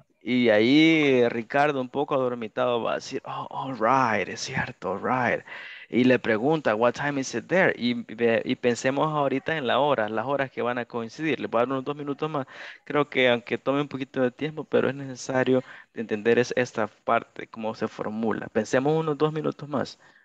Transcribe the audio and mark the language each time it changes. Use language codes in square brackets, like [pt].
[es] Y ahí Ricardo, un poco adormitado, va a decir, [en] oh, all right, [es] es cierto, all right. Y le pregunta, [en] what time is it there? [es] Y pensemos ahorita en la hora, las horas que van a coincidir. Le voy a dar unos 2 minutos más. Creo que aunque tome un poquito de tiempo, pero es necesario entender esta parte, cómo se formula. Pensemos unos 2 minutos más.